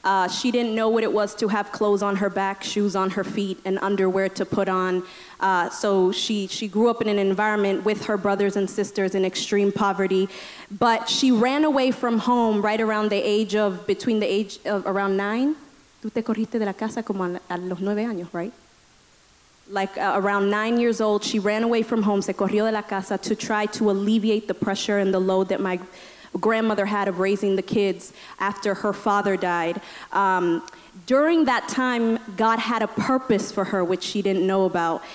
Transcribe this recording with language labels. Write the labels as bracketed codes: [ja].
[en] She didn't know what it was to have clothes on her back, shoes on her feet, and underwear to put on. So she grew up in an environment with her brothers and sisters in extreme poverty. But she ran away from home right around the age of, between the age of around 9. [es] Tú te corriste de la casa como a los 9 años, right? [en] Around 9 years old, she ran away from home, [es] se corrió de la casa, [en] to try to alleviate the pressure and the load that my grandmother had of raising the kids after her father died. During that time, God had a purpose for her, which she didn't know about.